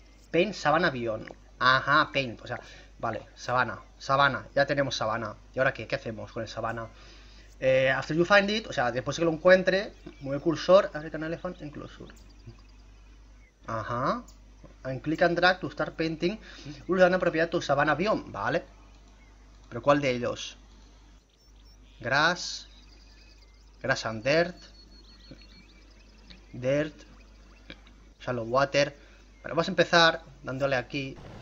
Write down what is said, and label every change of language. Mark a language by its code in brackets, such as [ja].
[es] Pain, sabana, avión. Ajá, pain, o sea, vale, sabana, sabana, ya tenemos sabana. ¿Y ahora qué? ¿Qué hacemos con el sabana? [en] After you find it, [es] o sea, después que lo encuentre, mueve el cursor, African Elephant Enclosure. Ajá. [en] And click and drag to start painting. [es] Usa una propiedad de tu sabana biome, ¿vale? Pero ¿cuál de ellos? [en] Grass. Grass and dirt. Dirt. Shallow water. [es] Pero vamos a empezar dándole aquí.